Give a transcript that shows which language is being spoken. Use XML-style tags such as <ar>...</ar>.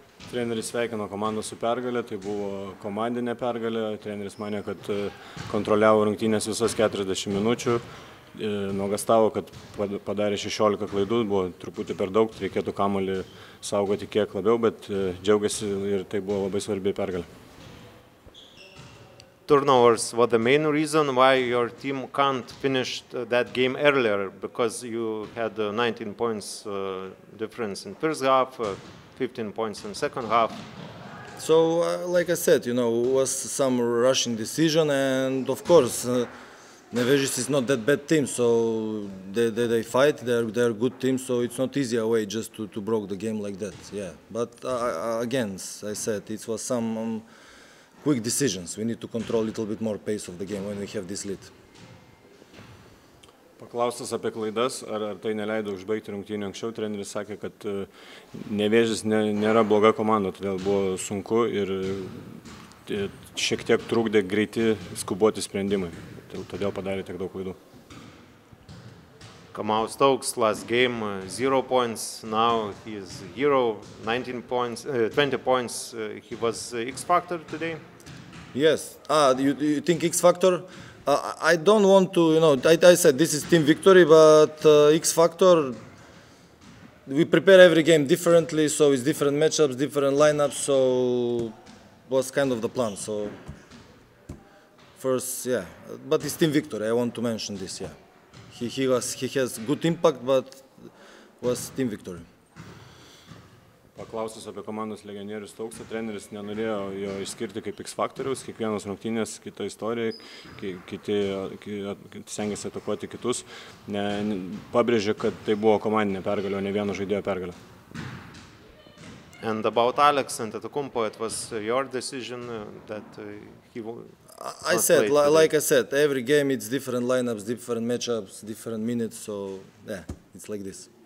<lt>Treneris sveikino komandą su pergalė, tai buvo komandinė pergalė. Treneris manė, kad kontroliavo rungtynės visas 40 minučių. Nuogastavo, kad padarė 16 klaidų, buvo truputį per daug, reikėtų kamuolį saugoti kiek labiau, bet džiaugiasi ir tai buvo labai svarbi pergalė.</lt> <en>Turnovers were the main reason why your team can't finish that game earlier, because you had 19 points difference in first half, 15 points in second half. So, like I said, you know, was some rushing decision, and of course, Nevėžis is not that bad team, so they fight, they are good team, so it's not easy away just to broke the game like that, yeah. But again, as I said, it was some quick decisions. We need to control a little bit more pace of the game when we have this lead.</en> <lt>Paklaustas apie klaidas, ar tai neleido užbaigti rungtynių anksčiau, treneris sakė, kad Nevėžis nėra bloga komanda, todėl buvo sunku ir šiek tiek trukdė greiti skuboti sprendimai, todėl padarė tiek daug klaidų.</lt> <en>Kamau Stokes, last game, 0 points, now he is hero, 19 points, 20 points, he was X-factor today? Yes, you think X-factor? I don't want to, you know, I said this is team victory, but X-factor, We prepare every game differently, so it's different matchups, different lineups, so was kind of the plan. So first, yeah, but it's team victory. I want to mention this. Yeah, he has good impact, but was team victory.</en> <lt>Paklausus apie komandos legionierius Stauksą, treneris nenorėjo jo išskirti kaip X faktoriaus, kiekvienas rungtynės kita istorija, kiti stengiasi atakuoti kitus. Pabrėžė, kad tai buvo komandinė pergalė, o ne vieno žaidėjo pergalė.</lt> <en>And about Alex Antetokounmpo, it was your decision that he won't I said play like today. I said, every game it's different lineups, different matchups, different minutes, so yeah, it's like this.</en>